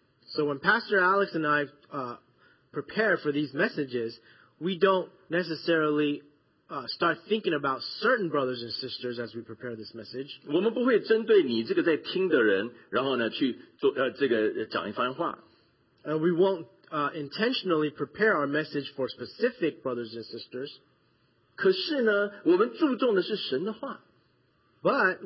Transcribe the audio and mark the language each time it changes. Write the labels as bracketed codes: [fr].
[en] So when Pastor Alex and I prepare for these messages, we don't necessarily start thinking about certain brothers and sisters as we prepare this message. [zh] 我们不会针对你这个在听的人，然后呢去做这个讲一番话。 [en] We won't intentionally prepare our message for specific brothers and sisters. [zh] 可是呢，我们注重的是神的话。 [en] But